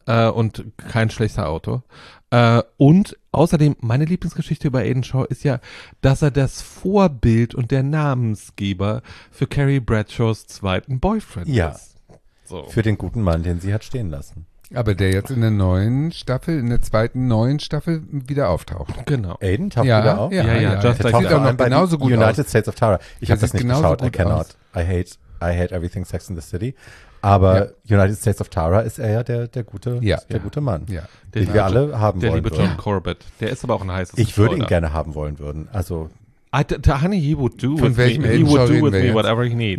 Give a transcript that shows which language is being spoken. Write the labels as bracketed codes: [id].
[de] Und kein schlechter Autor. Und außerdem, meine Lieblingsgeschichte über Aiden Shaw ist ja, dass er das Vorbild und der Namensgeber für Carrie Bradshaws 2. Boyfriend ist. So. Für den guten Mann, den sie hat stehen lassen. Aber der jetzt in der neuen Staffel, in der 2. neuen Staffel wieder auftaucht. Genau. Aiden taucht wieder auf? Ja. Sieht auch noch genauso gut aus. United States of Tara. Ich habe das nicht geschaut. [en] I hate everything Sex in the City. [de] Aber United States of Tara ist er ja der gute Mann, den wir alle haben wollen würden. Der liebe John Corbett, der ist aber auch ein heißes Geschwader. Ich würde ihn gerne haben wollen würden. Also, [en] honey, he would do with me, whatever he needs.